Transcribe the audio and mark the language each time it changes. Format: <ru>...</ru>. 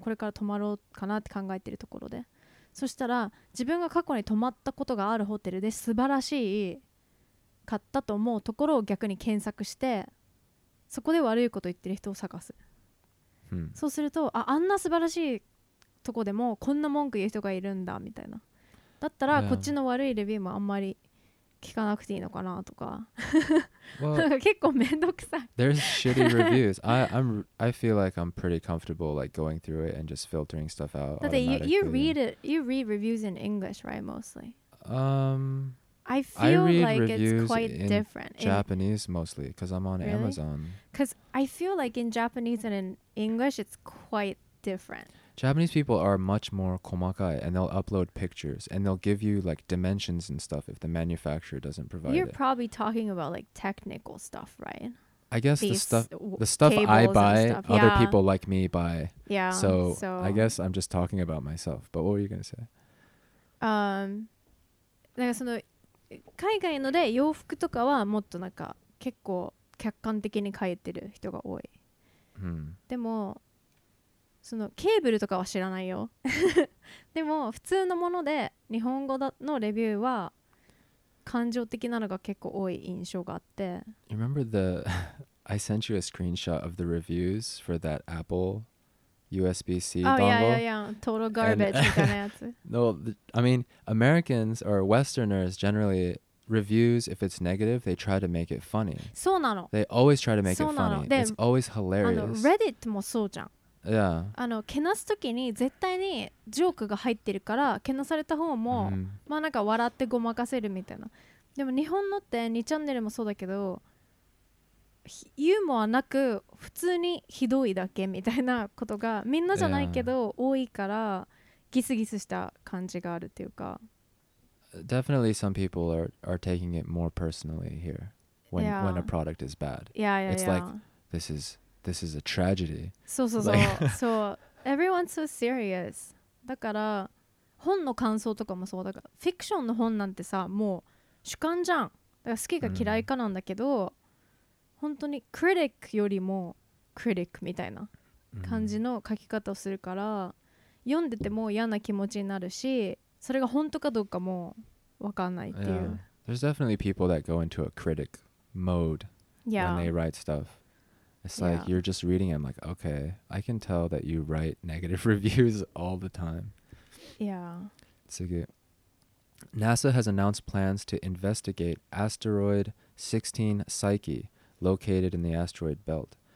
<ja>これから泊まろうかなって考えてるところで。そしたら自分が過去に泊まったことがあるホテルで素晴らしい買ったと思うところを逆に検索して、そこで悪いこと言ってる人を探す、そうすると、あんな素晴らしいとこでもこんな文句言う人がいるんだみたいな、だったらこっちの悪いレビューもあんまり聞かなくていいのかなとか、</ja> <en>well,</en> <ja>なんか結構めんどくさい。</ja> <en>There's shitty reviews. I feel like I'm pretty comfortable like going through it and just filtering stuff out. But you read it. You read reviews in English, right? Mostly. I read like reviews it's quite in different Japanese mostly because I'm on really? Amazon. Because I feel like in Japanese and in English, it's quite different. Japanese people are much more komakai and they'll upload pictures and they'll give you like dimensions and stuff if the manufacturer doesn't provide You're it. You're probably talking about like technical stuff, right? I guess the stuff I buy, stuff. Other yeah. people like me buy. Yeah. So I guess I'm just talking about myself. But what were you going to say?</en> <ja>なんかその海外ので洋服とかはもっとなんか結構客観的に書いてる人が多い。でもそのケーブルとかは知らないよでも普通のもので日本語のレビューは感情的なのが結構多い印象があって</ja> <en>You remember the I sent you a screenshot of the reviews for that Apple USB-C dongle? Oh yeah, yeah, yeah. Total garbage</en> <ja>みたいなやつ</ja> <en>No, I mean Americans or Westerners generally reviews if it's negative they try to make it funny</en> <ja>そうなの</ja> <en>They always try to make it funny It's always hilarious</en> <ja>Reddit もそうじゃん</ja> <en>Yeah.</en> <ja>あのけなすときに絶対にジョークが入ってるからけなされた方も、mm-hmm. まあなんか笑ってごまかせるみたいなでも日本のって2チャンネルもそうだけどユーモアなく普通にひどいだけみたいなことがみんなじゃないけど多いからギスギスした感じがあるっていうか</ja> <en>Definitely some people are taking it more personally here when,、 yeah. when a product is bad yeah, yeah, It's yeah. like this isThis is a tragedy.</en> <ja>そうそうそう。そう。</ja> <en>Everyone's so serious.</en> <ja>だから、本の感想とかもそうだから、フィクションの本なんてさ、もう主観じゃん。だから好きか嫌いかなんだけど、本当にクリティックよりもクリティックみたいな感じの書き方をするから、読んでても嫌な気持ちになるし、それが本当かどうかも分かんないっていう。</ja> <en>Yeah. There's definitely people that go into a critic mode when they write stuff. It's like yeah. you're just reading it. I'm like, okay, I can tell that you write negative reviews all the time. Yeah.</en> <ja>次。</ja> <en>NASA has announced plans to investigate asteroid 16 Psyche, located in the asteroid belt.</en>